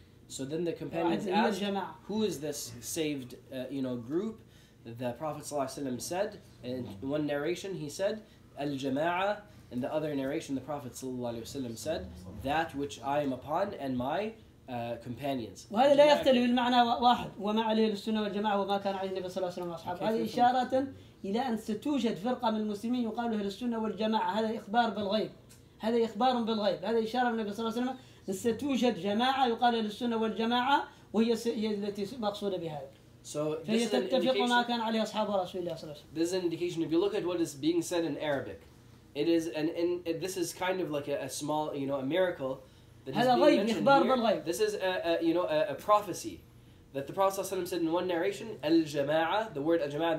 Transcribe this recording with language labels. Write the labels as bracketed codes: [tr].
[en] So then the companions asked, who is this saved, group? The Prophet ﷺ said, in one narration he said, الْجَمَاعَةِ. In the other narration, the Prophet ﷺ said, that which I am upon and my companions. [ar] وهذا لا يختلف المعنى واحد وما عليه السنة والجماعة وما كان عليه النبي صلى الله عليه وسلم وأصحابه. هذه إشارة إلى أن ستوجد فرقة من المسلمين يقالوا أهل السنة والجماعة. هذا إخبار بالغيب. هذا إخبار بالغيب. هذا إشارة من النبي صلى الله عليه وسلم ستوجد جماعة يقال أهل السنة والجماعة وهي التي مقصودة بهذا. [en] So this is an indication. [ar] ما كان عليه أصحابه رسول الله صلى الله عليه وسلم. [en] This is an indication. If you look at what is being said in Arabic. It is this is kind of like a small, a miracle that is being mentioned here. This is a prophecy that the Prophet ﷺ said in one narration, al-jama'a, the word al-jama'a.